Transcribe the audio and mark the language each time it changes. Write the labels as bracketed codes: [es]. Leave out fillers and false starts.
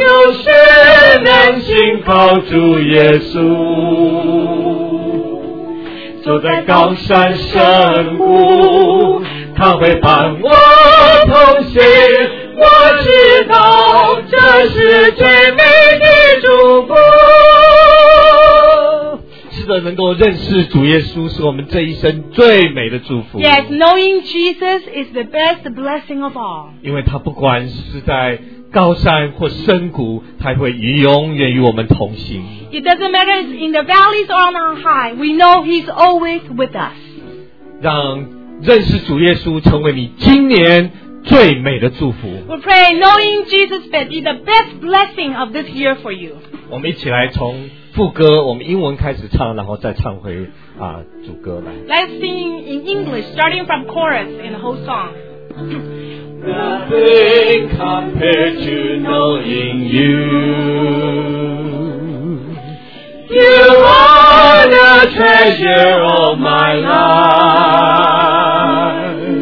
[zh] 就是能信靠主耶稣，坐在高山深谷，他会伴我同行，我知道这是最美的祝福。的能够认识主耶稣是我们这一生最美的祝福。 [en] Yes, knowing Jesus is the best blessing of all. [zh] 因为他不管是在高山或深谷，他会永远与我们同行。 [en] It doesn't matter if in the valleys or on high, we know he's always with us. [zh] 让认识主耶稣成为你今年最美的祝福。 [en] We pray knowing Jesus is the best blessing of this year for you. [zh] 我们一起来从副歌，我们英文开始唱，然后再唱回啊主歌来。 [en] Let's sing in English, starting from chorus in the whole song. Nothing compared to knowing you. You are the treasure of my life.